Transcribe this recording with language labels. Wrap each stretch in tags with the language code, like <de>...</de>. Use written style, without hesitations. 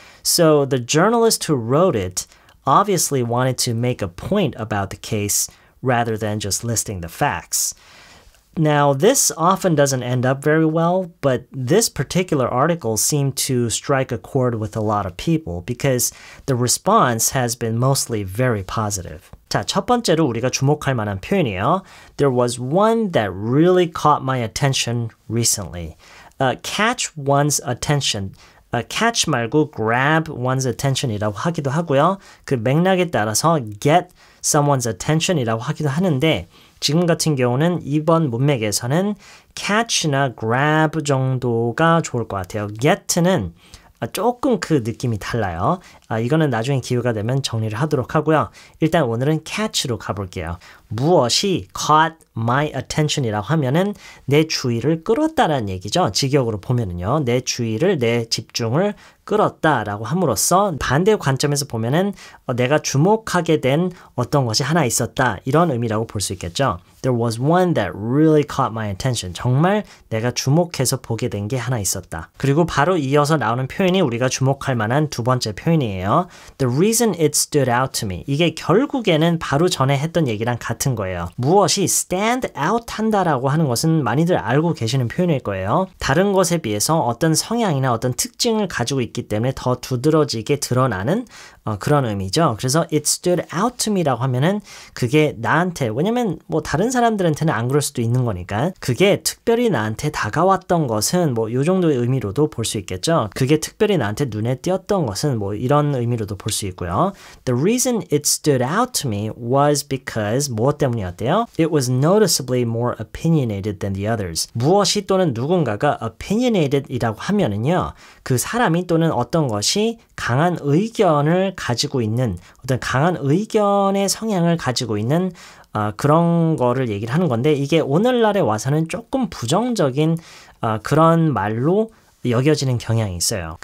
<en>So the journalist who wrote it obviously wanted to make a point about the case rather than just listing the facts. Now, this often doesn't end up very well, but this particular article seemed to strike a chord with a lot of people because the response has been mostly very positive.</en> <ko>자, 첫 번째로 우리가 주목할 만한 표현이에요.</ko> <en>There was one that really caught my attention recently. Catch one's attention. Catch 말고 grab one's attention이라고 하기도 하고요.</en> <ko>그 맥락에 따라서 get someone's attention이라고 하기도 하는데 지금 같은 경우는 이번 문맥에서는 catch나 grab 정도가 좋을 것 같아요. get는 조금 그 느낌이 달라요. 이거는 나중에 기회가 되면 정리를 하도록 하고요. 일단 오늘은 catch로 가볼게요. 무엇이 caught my attention이라고 하면은 내 주의를 끌었다라는 얘기죠. 직역으로 보면은요. 내 주의를, 내 집중을 끌었다라고 함으로써 반대 관점에서 보면은 내가 주목하게 된 어떤 것이 하나 있었다. 이런 의미라고 볼 수 있겠죠.</ko> <en>There was one that really caught my attention.</en> <ko>정말 내가 주목해서 보게 된 게 하나 있었다. 그리고 바로 이어서 나오는 표현이 우리가 주목할 만한 두 번째 표현이에요.</ko> <en>The reason it stood out to me.</en> <ko>이게 결국에는 바로 전에 했던 얘기랑 같은 거예요. 무엇이 stand out 한다라고 하는 것은 많이들 알고 계시는 표현일 거예요. 다른 것에 비해서 어떤 성향이나 어떤 특징을 가지고 있기 때문에 더 두드러지게 드러나는 그런 의미죠. 그래서 it stood out to me 라고 하면은 그게 나한테, 왜냐면 뭐 다른 사람들한테는 안 그럴 수도 있는 거니까 그게 특별히 나한테 다가왔던 것은 뭐 요 정도의 의미로도 볼 수 있겠죠. 그게 특별히 나한테 눈에 띄었던 것은 뭐 이런 의미로도 볼 수 있고요.</ko> <en>The reason it stood out to me was because</en> <ko>무엇 때문이었대요?</ko> <en>It was noticeably more opinionated than the others.</en> <ko>무엇이 또는 누군가가 opinionated 이라고 하면은요, 그 사람이 또는 어떤 것이 강한 의견을 가지고 있는, 어떤 강한 의견의 성향을 가지고 있는 그런 거를 얘기를 하는 건데 이게 오늘날에 와서는 조금 부정적인 그런 말로 여겨지는 경향이 있어요.</ko>